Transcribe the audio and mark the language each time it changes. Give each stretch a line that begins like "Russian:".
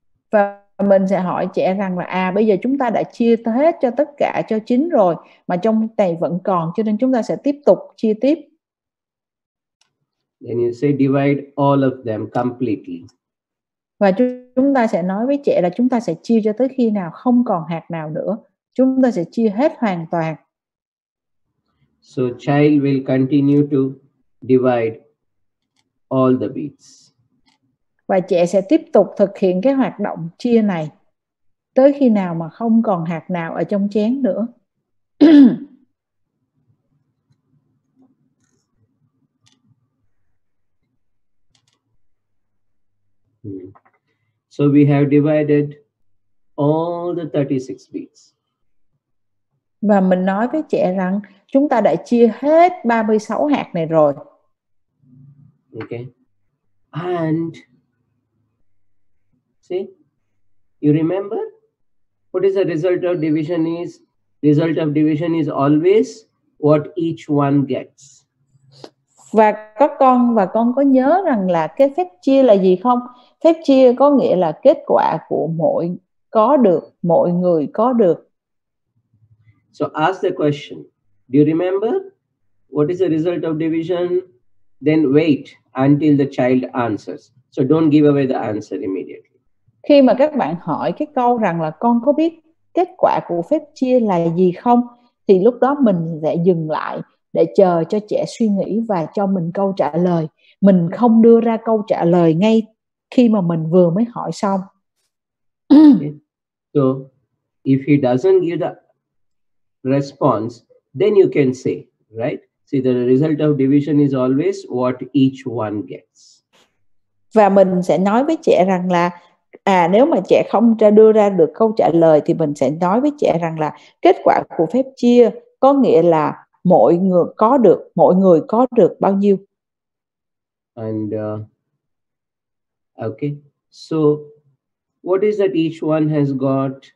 Vietnamese: Và mình sẽ hỏi trẻ rằng là à, bây giờ chúng ta đã chia hết cho tất cả cho chín rồi mà trong này vẫn còn, cho nên chúng ta sẽ tiếp tục chia tiếp.
English: Then you say divide all of them completely.
Vietnamese: Và chúng ta sẽ nói với trẻ là chúng ta sẽ chia cho tới khi nào không còn hạt nào nữa. Chúng ta sẽ chia hết hoàn toàn.
English: So child will continue to divide all the beads.
Vietnamese: Và trẻ sẽ tiếp tục thực hiện cái hoạt động chia này tới khi nào mà không còn hạt nào ở trong chén nữa.
English: So we have divided all the 36 beads.
Vietnamese: Và mình nói với trẻ rằng chúng ta đã chia hết 36 hạt này rồi.
English: Okay. And see, you remember what is the result of division is? Result of division is always what each one gets.
Vietnamese: Và các con, và con có nhớ rằng là cái phép chia là gì không? Phép chia có nghĩa là kết quả của mỗi có được, mỗi người có được.
English: So ask the question. Do you remember what is the result of division? Then wait until the child answers. So don't give away the answer immediately.
Vietnamese: Khi mà các bạn hỏi cái câu rằng là con có biết kết quả của phép chia là gì không, thì lúc đó mình sẽ dừng lại để chờ cho trẻ suy nghĩ và cho mình câu trả lời. Mình không đưa ra câu trả lời ngay khi mà mình vừa mới hỏi xong.
English: So if he doesn't give the response, then you can say, right? See, the result of division is always what each one gets.
Vietnamese: Và mình sẽ nói với trẻ rằng là à, nếu mà trẻ không đưa ra được câu trả lời thì mình sẽ nói với trẻ rằng là kết quả của phép chia có nghĩa là mỗi người có được, mỗi người có được bao nhiêu.
English: And okay, so what is that each one has got?